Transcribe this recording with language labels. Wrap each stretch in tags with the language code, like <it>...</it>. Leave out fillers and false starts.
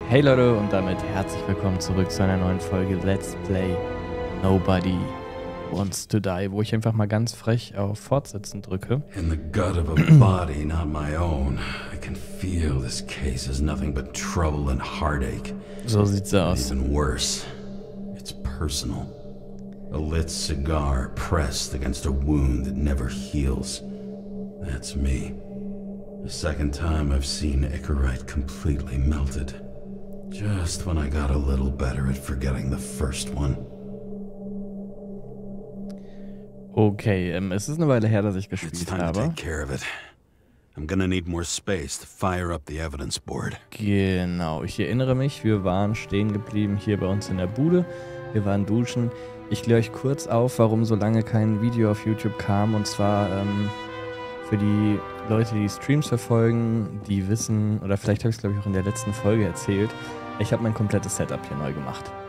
<de>Hey Leute und damit herzlich willkommen zurück zu einer neuen Folge Let's Play Nobody Wants to Die, wo ich einfach mal ganz frech auf Fortsetzen drücke.</de> <en>In the gut of a body not my own, I can feel this case is nothing but trouble and heartache.</en> <de>So sieht's aus.</de> <en>Even worse, it's personal. A lit cigar pressed against a wound that never heals. That's me. The second time I've seen Ikarite completely melted. Just when I got a little better at forgetting the first one.</en> <de>Okay, es ist eine Weile her, dass ich gespielt habe.</de> <en>It's time to take care of it. I'm gonna need more space to fire up the evidence board.</en> <de>Genau, ich erinnere mich, wir waren stehen geblieben hier bei uns in der Bude. Wir waren duschen. Ich kläre euch kurz auf, warum so lange kein Video auf YouTube kam. Und zwar für die Leute, die Streams verfolgen, die wissen, oder vielleicht habe ich es, glaube ich, auch in der letzten Folge erzählt, ich habe mein komplettes Setup hier neu gemacht.</de>